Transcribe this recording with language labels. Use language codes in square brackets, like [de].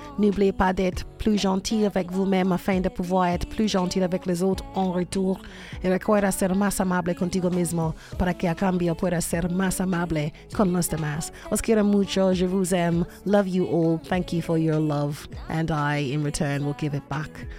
[fr] N'oubliez pas d'être plus gentil avec vous-même afin de pouvoir être plus gentil avec les autres en retour. [es] Et recuerda ser más amable contigo mismo para que a cambio pueda ser más amable con los demás. Os quiero mucho, [fr] je vous aime, [en] love you all, thank you for your love. And I, in return, will give it back.